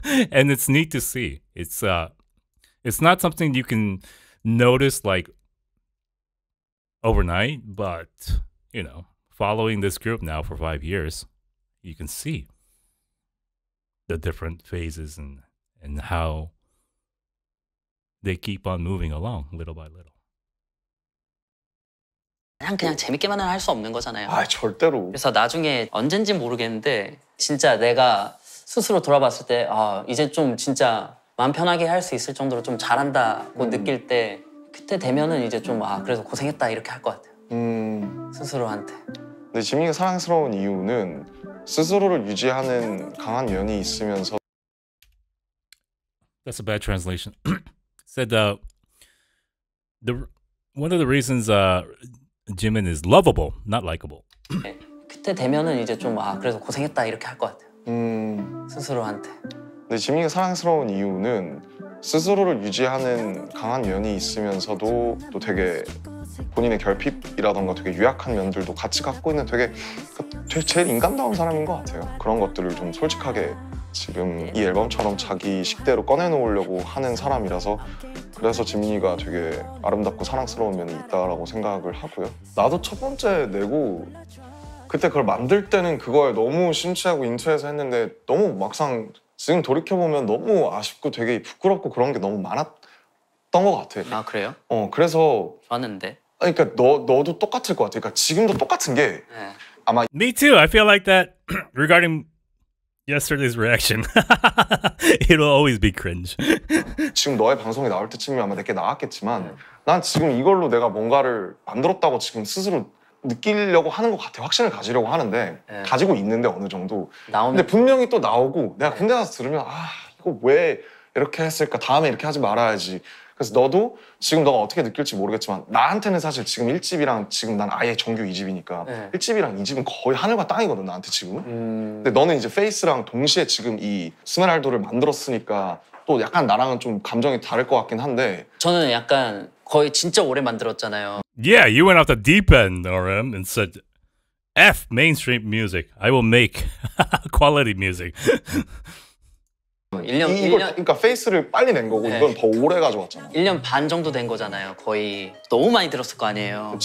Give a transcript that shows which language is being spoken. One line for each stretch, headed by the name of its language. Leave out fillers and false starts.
English: And it's neat to see. It's not something you can notice like overnight, but you know, following this group now for 5 years, you can see the different phases and how they keep on moving along little by little.
Korean: 그냥 재밌게만은 할 수 없는 거잖아요. 아, 절대로. 그래서 나중에 언젠지 모르겠는데 진짜 내가 스스로 돌아봤을 때 아, 이제 좀 진짜 마음 편하게 할 수 있을 정도로 좀 잘한다고 느낄 때 그때 되면은 이제 좀 아 그래서 고생했다 이렇게 할 것 같아요. 스스로한테. 근데 지민이 사랑스러운 이유는 스스로를 유지하는 강한 면이 있으면서.
English: That's a bad translation. Said the one of the reasons Jimin is lovable, not likable.
Korean: 그때 되면은 이제 좀 아 그래서 고생했다 이렇게 할 것 같아요. 스스로한테. 근데 지민이 사랑스러운 이유는 스스로를 유지하는 강한 면이 있으면서도 또 되게 본인의 결핍이라던가 되게 유약한 면들도 같이 갖고 있는 되게 제일 인간다운 사람인 것 같아요. 그런 것들을 좀 솔직하게 지금 이 앨범처럼 자기 식대로 꺼내놓으려고 하는 사람이라서 그래서 지민이가 되게 아름답고 사랑스러운 면이 있다라고 생각을 하고요. 나도 첫 번째 내고 그때 그걸 만들 때는 그걸 너무 심취하고 인투해서 했는데 너무 막상 지금 돌이켜보면 너무 아쉽고 되게 부끄럽고 그런 게 너무 많았던 것 같아. 아, 그래요? 어, 그래서 좋았는데? 그러니까 너도 똑같을 것 같아. 그러니까 지금도 똑같은 게 네. 아마
English: Me too. I feel like that regarding yesterday's reaction. It'll always be cringe.
Korean: 지금 너의 방송이 나올 때쯤이 아마 내게 나왔겠지만 난 지금 이걸로 내가 뭔가를 만들었다고 지금 스스로 느끼려고 하는 것 같아. 확신을 가지려고 하는데 네. 가지고 있는데 어느 정도 나오면... 근데 분명히 또 나오고 내가 군대 가서 들으면 아 이거 왜 이렇게 했을까 다음에 이렇게 하지 말아야지. 그래서 너도 지금 너가 어떻게 느낄지 모르겠지만 나한테는 사실 지금 1집이랑 지금 난 아예 정규 2집이니까 네. 1집이랑 2집은 거의 하늘과 땅이거든 나한테 지금은. 근데 너는 이제 페이스랑 동시에 지금 이 스메랄드를 만들었으니까 또 약간 나랑은 좀 감정이 다를 것 같긴 한데 저는 약간 거의 진짜 오래 만들었잖아요.
English: Yeah, you went off the deep end, RM, and said, F mainstream music, I will make quality music.
Korean: 1년, 이걸, 1년, 그러니까 페이스를 빨리 낸 거고 네. 이건 더 오래 가져왔잖아. 1년 반 정도 된 거잖아요, 거의. 너무 많이 들었을 거 아니에요.